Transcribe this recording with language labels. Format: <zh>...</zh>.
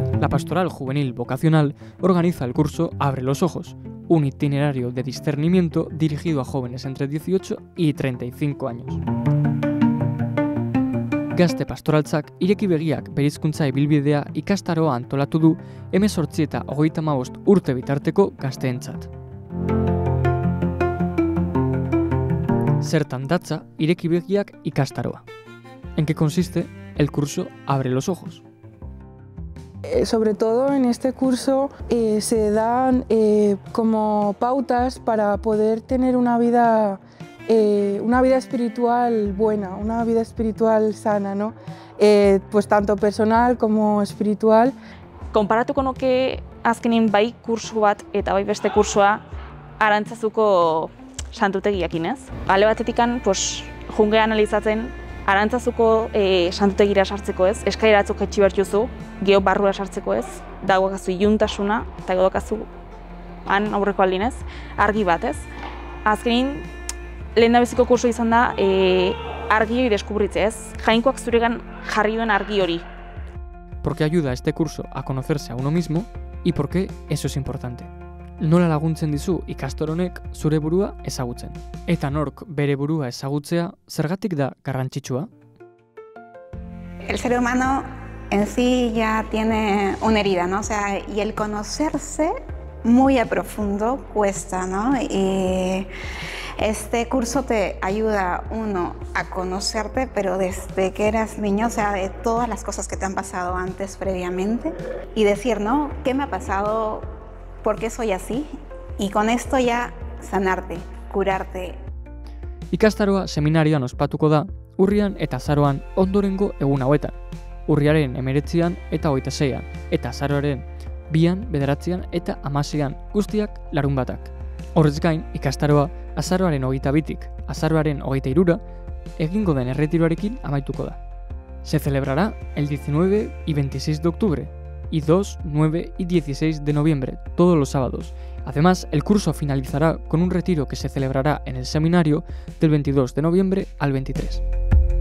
<es>Pastoral Juvenil Vocacional organiza el curso Abre los Ojos, un itinerario de discernimiento dirigido a jóvenes entre 18 y 35 años.</es> <eu>Gazte Pastoraltzak ireki begiak berizkuntza ibilbidea ikastaroa antolatu du 18 eta 35 urte bitarteko gazteentzat. Zertan datza ireki begiak ikastaroa.</eu> <es>¿En qué consiste el curso Abre los Ojos? Sobre todo en este curso se dan como pautas para poder tener una vida espiritual buena, una vida espiritual sana, ¿no? Pues tanto personal como espiritual.</es> <eu>Konparatuko noke azkenin bai kursu bat eta bai beste kursua Arantzazuko santutegiakin, ez? Ale batetikan, pues jungea analizatzen Arantzazuko santutegira sartzeko, ez? Eskairatzuk jaitsi bertzu, geo barrura sartzeko, ez? Dagoakazu iluntasuna eta dagoakazu han aurreko aldin, ez? Argi bat, ez? Azkenin lehendabiziko kursu izan da argi hori deskubritze, ez? Jainkoak zuregan jarri duen argi hori.</eu> <es>Por qué ayuda este curso a conocerse a uno mismo y por qué eso es importante.</es> <eu>Nola laguntzen dizu ikastor honek zure burua ezagutzen. Eta nork bere burua ezagutzea zergatik da garrantzitsua?</eu> <es>El ser humano en sí ya tiene una herida, ¿no? O sea, y el conocerse muy a profundo cuesta, ¿no? Y este curso te ayuda, uno, a conocerte, pero desde que eras niño, o sea, de todas las cosas que te han pasado antes, previamente, y decir, ¿no? ¿Qué me ha pasado? ¿Por qué soy así? Y con esto ya sanarte, curarte.</es> <eu>Ikastaroa seminarioan ospatuko da, urrian eta azaroan ondorengo egun hauetan. Urriaren 19an eta 26an, eta azaroaren 2an, 9an eta 16an, guztiak larunbatak. Horrez gain, ikastaroa azaroaren 22tik, azaroaren 23ra, egingo den erretiroarekin amaituko da.</eu> <es>Se celebrará el 19 y 26 de octubre, y 2, 9 y 16 de noviembre, todos los sábados. Además, el curso finalizará con un retiro que se celebrará en el seminario del 22 de noviembre al 23.</es>